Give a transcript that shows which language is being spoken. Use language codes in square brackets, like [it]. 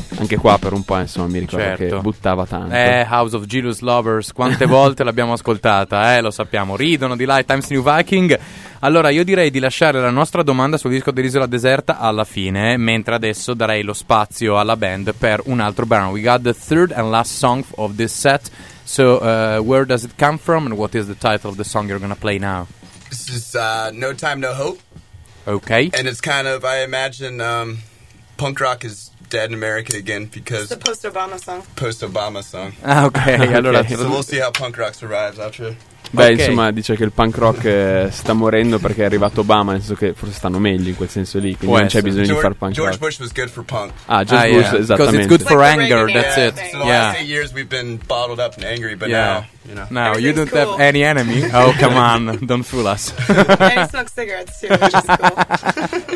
[it] anche qua per un po', insomma, mi ricordo che buttava tanto House of Jealous Lovers, quante volte l'abbiamo ascoltata, lo sappiamo, ridono di là i Times New Viking. Allora io direi di lasciare la nostra domanda sul disco dell'Isola Deserta alla fine, mentre adesso darei lo spazio alla band per un altro brano. [en] We got the third and last song of this set. So, where does it come from, and what is the title of the song you're going to play now? This is No Time, No Hope. Okay. And it's kind of, I imagine, punk rock is dead in America again because... It's the post-Obama song. Post-Obama song. [it] Ah, okay. Allora, [en] so we'll see how punk rock survives after... [it] Beh, okay. Insomma, dice che il punk rock sta morendo perché è arrivato Obama, nel senso che forse stanno meglio in quel senso lì, quindi non c'è bisogno di far punk [en] George rock. George Bush was good for punk. Ah, George Bush, yeah. [it] Esattamente. [en] Because it's good for like anger, that's it. So yeah. The last 8 years we've been bottled up and angry, but now, you know. Now, you don't have any enemy. Oh, come on, don't fool us. And he smokes cigarettes too, which is cool.